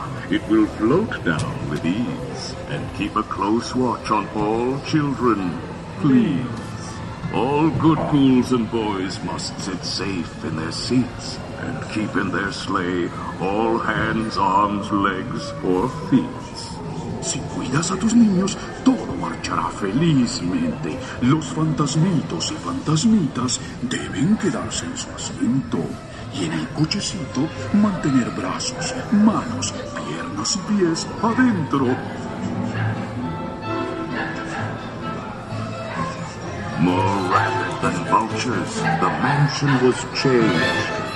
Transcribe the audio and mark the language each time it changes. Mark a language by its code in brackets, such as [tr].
[en] It will float down with ease, and keep a close watch on all children, please. All good ghouls and boys must sit safe in their seats, and keep in their sleigh all hands, arms, legs, or feet. [es] Si cuidas a tus niños, todo marchará felizmente. Los fantasmitos y fantasmitas deben quedarse en su asiento. Y en el cochecito, mantener brazos, manos, piernas y pies adentro. [en] More rapid than vultures, the mansion was changed.